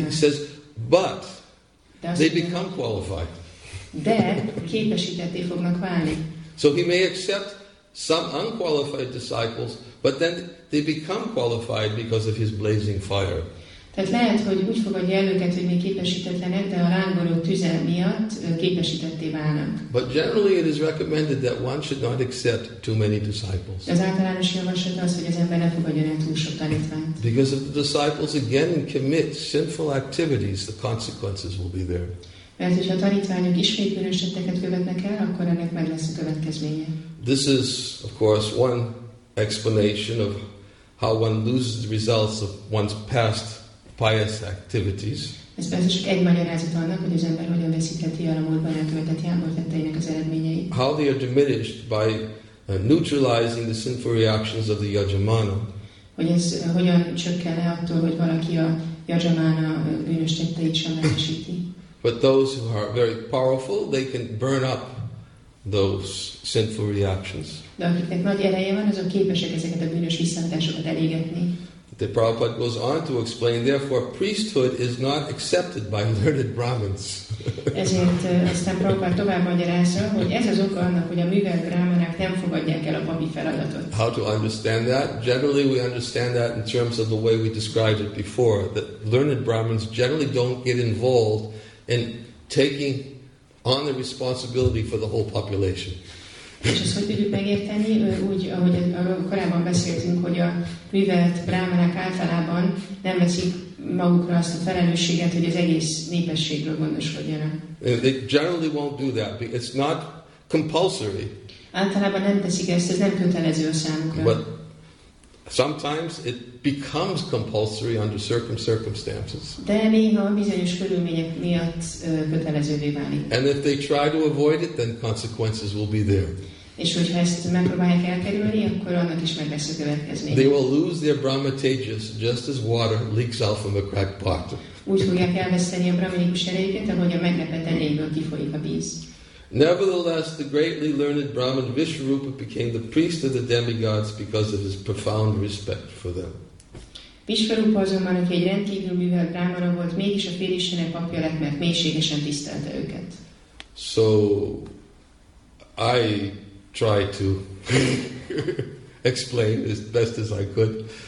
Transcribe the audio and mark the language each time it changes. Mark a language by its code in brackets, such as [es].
[en] He says, but they become qualified. [hu] De képesítetté fognak válni. [en] So he may accept some unqualified disciples, but then they become qualified because of his blazing fire. [hu] Tehát lehet, hogy úgy fogadja el őket, hogy még képesítetlenek, de a lángoló tüzel miatt képesítetté válnak. [en] But generally it is recommended that one should not accept too many disciples. [hu] Az általános javaslat az, hogy az ember ne fogadjon el túl sok tanítványt. [en] Because if the disciples again commit sinful activities, the consequences will be there. [hu] Mert hogyha a tanítványok ismét bűnös tetteket követnek el, akkor ennek meg lesz a következménye. [en] This is, of course, one explanation of how one loses the results of one's past pious activities. [hu] Ez persze csak egy magyarázat annak, hogy az ember hogyan veszítheti el a múltban elkövetett jámbor tetteinek az eredményeit. [en] How they are diminished by neutralizing the sinful reactions of the yajamana. [hu] Hogy ez hogyan csökken el attól, hogy valaki a yajamana bűnös tetteit sem veszíti. [en] But those who are very powerful, they can burn up those sinful reactions. [hu] De akiknek nagy ereje van, azok képesek ezeket a bűnös visszahatásokat elégetni. [en] The Prabhupada goes on to explain, therefore, priesthood is not accepted by learned Brahmins. [hu] Ezért aztán Prabhupada tovább magyarázza, hogy ez az oka annak, hogy a művelt brahmanák nem fogadják el a papi feladatot. [en] How to understand that? Generally, we understand that in terms of the way we described it before, that learned Brahmins generally don't get involved in taking on the responsibility for the whole population. [hu] És ezt hogy tudjuk megérteni, úgy, ahogy korábban beszéltünk, hogy a művelt brámanák általában nem veszik magukra azt a felelősséget, hogy az egész népességről gondoskodjanak. [en] They generally won't do that. It's not compulsory. [hu] Általában nem teszik ezt, ez nem kötelező a számukra. [en] But sometimes it becomes compulsory under certain circumstances. [hu] De néha bizonyos körülmények miatt kötelezővé válik. [en] And if they try to avoid it, then consequences will be there. [hu] És hogyha ezt megpróbálják elkerülni, akkor annak is meg lesz a következménye. [en] They will lose their Brahma Tejas just as water leaks out from a cracked pot. [hu] Úgy fogják elveszteni a brahmanikus erejüket, ahogy a meglepett elejéből kifolyik a víz. [en] Nevertheless, the greatly learned Brahman Vishwarupa became the priest of the demigods because of his profound respect for them. [hu] Vishwarupa azonban, aki egy rendkívül művelt brámana volt, mégis a félistenek papja lett, mert mélységesen tisztelte őket. [en] So, I tried to explain as best as I could.